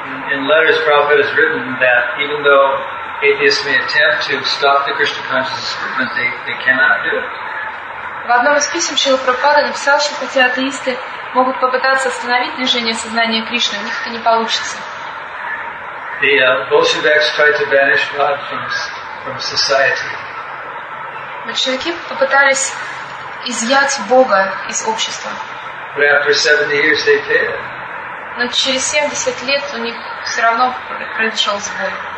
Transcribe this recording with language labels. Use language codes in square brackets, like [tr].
[en] In letters Prabhupada has written that even though atheists may attempt to stop the Krishna consciousness movement, they cannot do it. [ru] В одном из писем Шрила Прабхупада написал, что хотя атеисты могут попытаться остановить движение сознания Кришны, у них это не получится. [en] The Bolsheviks tried to banish Radha from society. [ru] Большевики попытались изъять Бога из общества. [en] But after 70 years they failed. [ru] Но через 70 лет у них все равно произошел сбой.